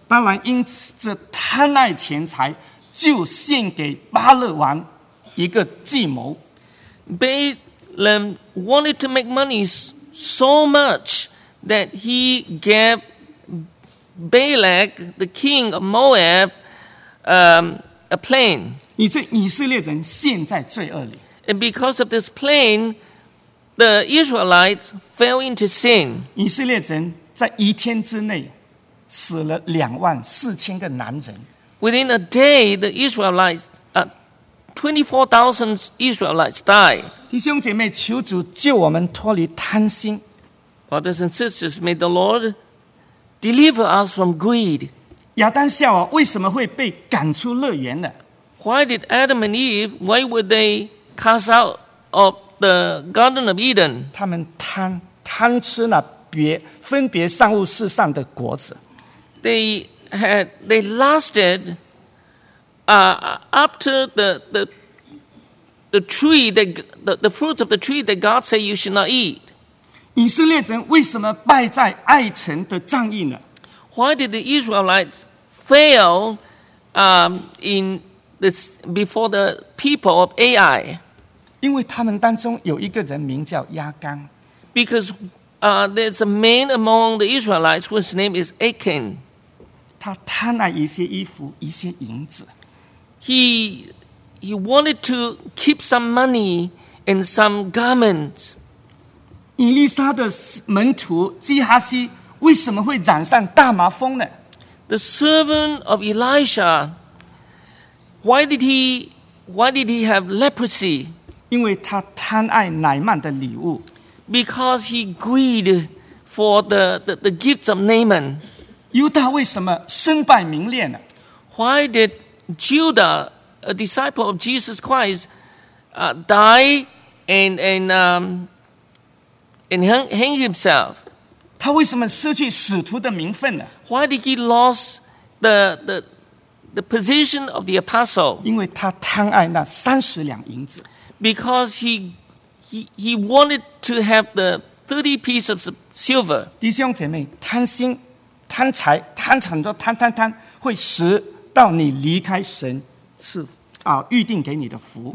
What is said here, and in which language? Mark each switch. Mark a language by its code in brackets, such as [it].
[zh] 巴兰因此贪爱钱财，就献给巴勒王一个计谋。 [en] Balaam wanted to make money so much that he gave Balak, the king of Moab, a plan. [zh] 以色列人陷在罪恶里。 [en] And because of this plan, the Israelites fell into sin. [zh] 以色列人在一天之内死了24,000个男人。 [en] Within a day, the Israelites, 24,000 Israelites died. [zh] 弟兄姐妹，求主救我们脱离贪心。 [en] Brothers and sisters, may the Lord. Deliver us from greed. [zh] 亚当夏娃为什么会被赶出乐园呢 [en] Why did Adam and Eve, why were they cast out of the Garden of Eden? [zh] 他们贪吃了分别善恶树上的果子。 [en] They lusted after the tree, the fruit of the tree that God said you should not eat. [zh] 以色列人为什么败在爱城的战役呢 [en] ？Why did the Israelites fail, in this before the people of Ai? [zh] 因为他们当中有一个人名叫亚干。 [en] Because, there's a man among the Israelites whose name is Achan. [zh] 他贪爱一些衣服，一些银子。 [en] He wanted to keep some money and some garments. [zh] 以利沙的门徒基哈西为什么会染上大麻风呢 [en] ？The servant of Elisha, why did he have leprosy? [zh] 因为他贪爱乃曼的礼物。 [en] Because he greed for the gifts of Naaman. [zh] 犹大为什么身败名裂呢 [en] ？Why did Judah, a disciple of Jesus Christ, die and hang himself. [zh] 他为什么失去使徒的名分呢 [en] ？Why did he lose the position of the apostle？ [zh] 因为他贪爱那30两银子。 [en] Because he wanted to have the 30 pieces of silver. [zh] 弟兄姐妹，贪心、贪财、贪很多、贪，会使到你离开神赐啊预定给你的福。